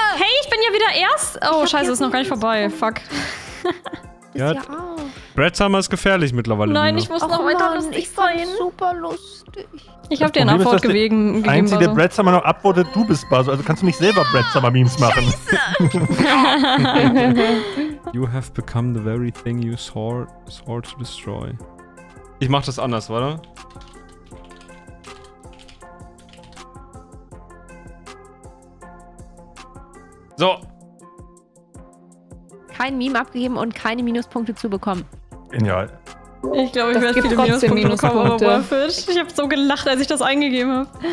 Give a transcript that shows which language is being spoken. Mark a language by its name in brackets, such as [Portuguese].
[German] Hey, ich bin ja wieder erst. Oh, scheiße, ja ist noch gar nicht vorbei. Fuck. Ja, Brad Summer ist gefährlich mittlerweile. Nein, ich muss noch weiter lustig sein. Ich fand's super lustig. Ich hab dir einen Upvote gegeben. Einzige, der Brad Summer noch upvotet, du bist Basso. Also kannst du nicht selber Brad Summer Memes machen. Scheiße! [English] You have become the very thing you sought to destroy. [German] Ich mach das anders, warte. So. Kein Meme abgegeben und keine Minuspunkte zu bekommen. Genial. Ich glaube, ich werde viele Minuspunkte bekommen, aber worth it. Ich habe so gelacht, als ich das eingegeben habe.